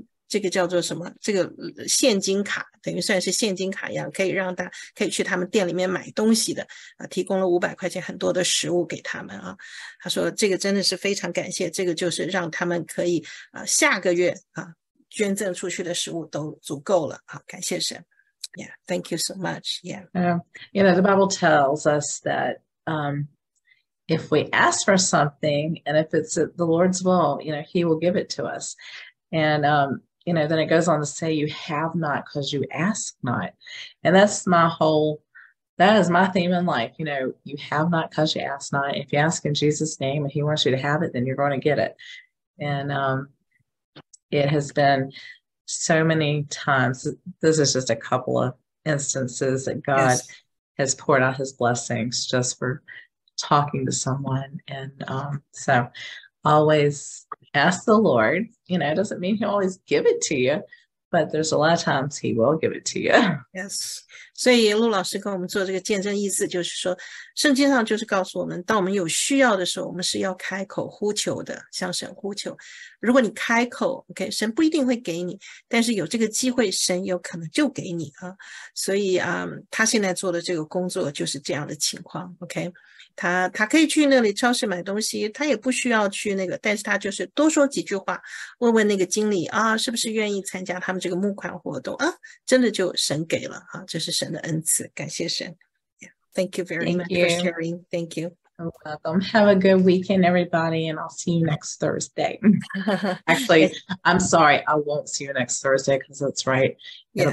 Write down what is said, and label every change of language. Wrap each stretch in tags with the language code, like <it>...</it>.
<zh>这个叫做什么，这个现金卡，等于算是现金卡一样，可以让他可以去他们店里面买东西的、啊、提供了500块钱很多的食物给他们、啊、他说这个真的是非常感谢，这个就是让他们可以、下个月、捐赠出去的食物都足够了、啊、感谢神。</zh> <en>Yeah, thank you so much. Yeah, you know, the Bible tells us that if we ask for something and if it's the Lord's will, you know, he will give it to us. And, you know, then it goes on to say, you have not because you ask not. And that's my whole, that is my theme in life. You know, you have not because you ask not. If you ask in Jesus' name and he wants you to have it, then you're going to get it. And it has been so many times. This is just a couple of instances that God yes. has poured out his blessings just for talking to someone. And so always ask the Lord, you know, it doesn't mean he'll always give it to you, but there's a lot of times he will give it to you. Yes.</en> <zh>所以陆老师跟我们做这个见证意思就是说，圣经上就是告诉我们，当我们有需要的时候，我们是要开口呼求的，向神呼求。如果你开口 OK, 神不一定会给你，但是有这个机会神有可能就给你啊。所以他现在做的这个工作就是这样的情况 OK。他可以去那里超市买东西，他也不需要去那个，但是他就是多说几句话，问问那个经理啊，是不是愿意参加他们这个募款活动啊，真的就神给了啊，这是神的恩赐，感谢神。</zh> <en>Yeah, thank you very thank much you. for sharing. Thank you. You're welcome. Have a good weekend, everybody, and I'll see you next Thursday. Actually, I'm sorry, I won't see you next Thursday because that's right. It'll、</en>